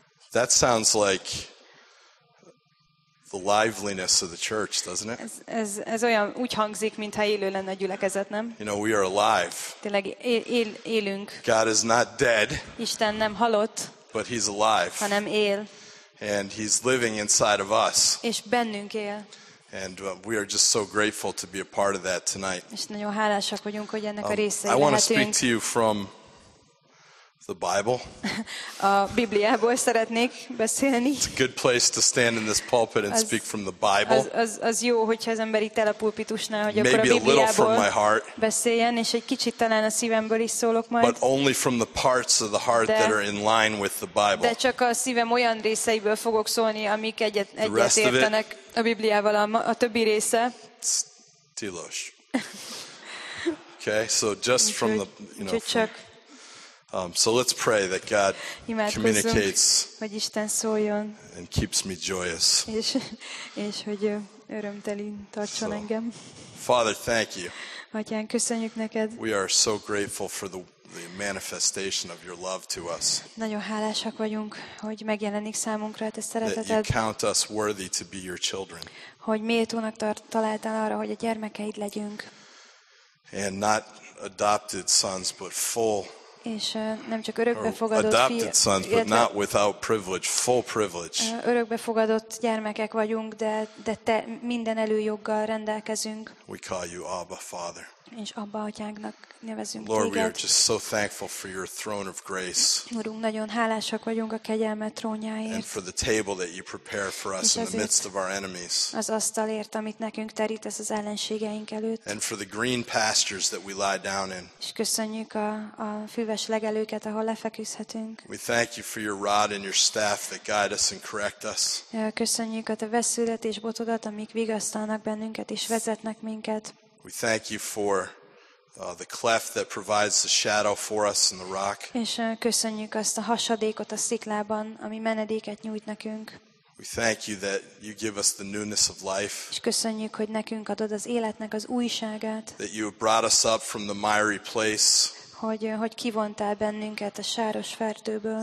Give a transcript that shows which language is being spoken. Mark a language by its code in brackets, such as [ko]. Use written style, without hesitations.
[en] That sounds like the liveliness of the church, doesn't it? [hu] Ez olyan úgy hangzik, mintha élő lenne a gyülekezet, nem? [en] You know, we are alive. [hu] Tényleg élünk. [en] God is not dead. [hu] Isten nem halott. [en] But he's alive. [hu] Hanem él. [en] And he's living inside of us. [hu] És bennünk él. [en] And we are just so grateful to be a part of that tonight. [hu] És nagyon hálásak vagyunk, hogy ennek a részei lehetünk. [en] I want to speak to you from the Bible. [hu] A Bibliából szeretnék beszélni. [en] It's a good place to stand in this pulpit and speak from the Bible. [hu] Az jó, hogyha az ember itt áll a pulpitusnál, hogy akkor a Bibliából beszéljen, és egy kicsit talán a szívemből is szólok majd. [en] But only from the parts of the heart that are in line with the Bible. [hu] De csak a szívem olyan részeiből fogok szólni, amik egyetértenek a Bibliával, a többi része. Tilos. [en] Okay, so just from the, you know, so let's pray that God communicates, [hu] hogy Isten szóljon, [en] and keeps me joyous. [hu] És hogy örömteli tartson engem. [en] Father, thank you. [hu] Atyán, köszönjük neked. [en] We are so grateful for the manifestation of your love to us. [hu] Nagyon hálásak vagyunk, hogy megjelenik számunkra te szereteted. [en] You count us worthy to be your children. [hu] Hogy méltónak találtál arra, hogy a gyermekeid legyünk. [en] And not adopted sons, but full. [hu] És nem csak örökbefogadott [en] sons, but not without privilege, full privilege. [hu] Örökbefogadott gyermekek vagyunk, de te minden előjoggal rendelkezünk. [en] We call you Abba, Father. [hu] És Abba atyánknak nevezünk téged. [en] Lord, we are just so thankful for your throne of grace. [hu] Urunk, nagyon hálásak vagyunk a kegyelmet trónjáért. [en] And for the table that you prepare for us in the midst of our enemies. [hu] Az asztalért, amit nekünk terítesz az ellenségeink előtt. [en] And for the green pastures that we lie down in. [hu] És köszönjük a fűves legelőket, ahol lefeküdhetünk. [en] We thank you for your rod and your staff that guide us and correct us. [hu] Köszönjük a te vesződet és botodat, amik vigasztalnak bennünket és vezetnek minket. [en] We thank you for the cleft that provides the shadow for us in the rock. [hu] És köszönjük azt a hasadékot a sziklában, ami menedéket nyújt nekünk. [en] We thank you that you give us the newness of life. [hu] És köszönjük, hogy nekünk adod az életnek az újságát. [en] That you have brought us up from the miry place. [hu] Hogy kivontál bennünket a sáros fertőből.